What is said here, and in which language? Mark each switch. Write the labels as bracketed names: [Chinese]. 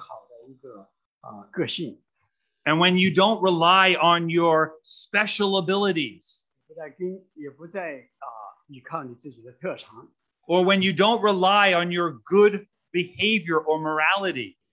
[Chinese] 你不再依靠你自己的天赋，比方说你自己的好的一个个性。 [English] And when you don't rely on your special abilities. [Chinese] 也不再依靠你自己的特长。 [English] Or when you don't rely on your good behavior or morality.